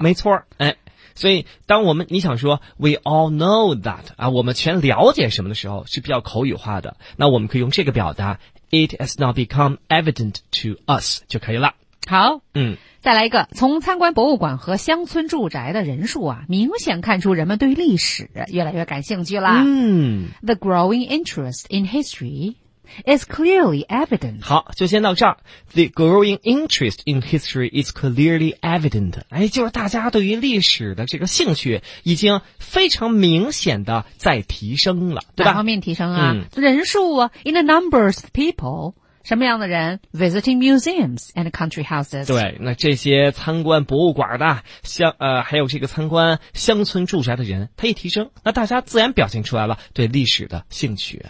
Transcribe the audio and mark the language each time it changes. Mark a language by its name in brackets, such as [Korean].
[Chinese] 没错，哎，所以当我们你想说 we all know that 啊，我们全了解什么的时候，是比较口语化的，那我们可以用这个表达 it has now become evident to us 就可以了。好，嗯，再来一个，从参观博物馆和乡村住宅的人数啊，明显看出人们对历史越来越感兴趣了。嗯 [English] ,the growing interest in history is clearly evident. [Chinese] 好，就先到这儿。 [English] The growing interest in history is clearly evident. [Chinese] 哎，就是大家对于历史的这个兴趣已经非常明显的在提升了，对吧？哪方面提升啊？人数啊 , in the numbers of people, 什么样的人 visiting museums and country houses? 对，那这些参观博物馆的像还有这个参观乡村住宅的人，他一提升，那大家自然表现出来了对历史的兴趣。